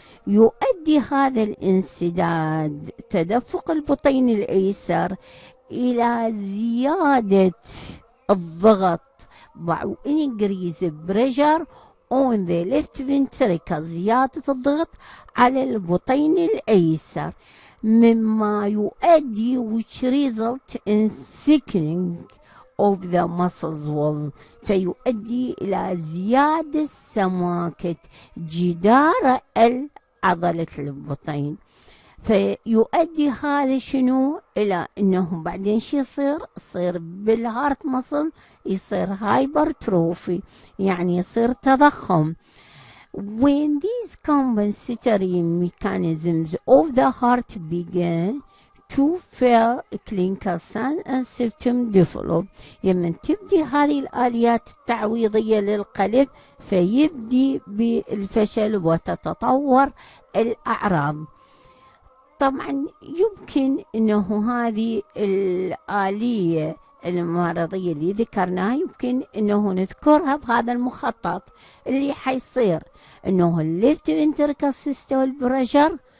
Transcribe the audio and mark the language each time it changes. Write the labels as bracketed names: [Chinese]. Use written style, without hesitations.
[Arabic] يؤدي هذا الانسداد تدفق البطين الايسر الى زيادة الضغط [English] increase the pressure on the left ventricle [Arabic] زيادة الضغط على البطين الايسر مما يؤدي [English] which result in thickening of the muscles wall [Arabic] فيؤدي إلى زيادة سماكة جدار عضلة البطين فيؤدي هذا شنو إلى أنه بعدين شو يصير يصير بالهارت مصل يصير هايبرتروفي يعني يصير تضخم. [English] When these compensatory mechanisms of the heart begin to fail clinical signs and symptoms develop [Arabic] لما تبدي هذه الآليات التعويضية للقلب فيبدي بالفشل وتتطور الأعراض. طبعا يمكن انه هذه الآلية المرضية اللي ذكرناها يمكن انه نذكرها بهذا المخطط اللي حيصير انه الليفت انتركال سيستول بريشر